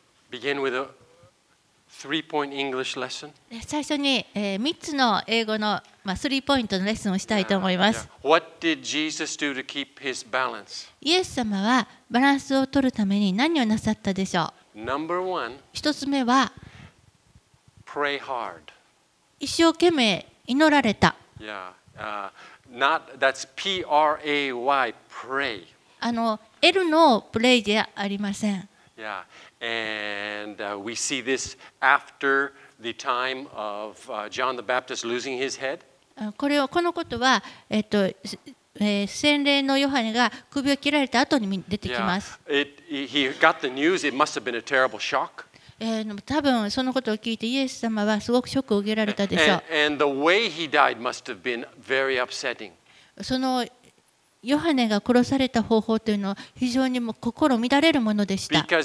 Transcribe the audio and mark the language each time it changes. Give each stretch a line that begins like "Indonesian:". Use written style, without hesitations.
English: Begin with a three-point English lesson.
Japanese: 最初に、3つの英語の、まあ、3ポイントのレッスンをしたいと思います。
English: What did Jesus do to keep his balance?
Japanese: イエス様はバランスを取るために何をなさったでしょう。
English: Number one,
Japanese: 一つ目は、
English: pray hard.
Japanese: 一生懸命祈られた。
English: That's P-R-A-Y, pray.
Japanese: L のプレイじゃありません。
English: Yeah. And we see this after the time of John the Baptist losing his head.
Japanese: これはこのことは洗礼のヨハネが首を切られた後に出てきます。
English: Yeah. He got the news. It must have been a terrible shock.
Japanese: 多分そのことを聞いてイエス様はすごくショックを受けられたでしょう。
English: And the way he died must have been very upsetting.
Japanese: そのヨハネが殺された方法というのは非常にも心乱れるものでした。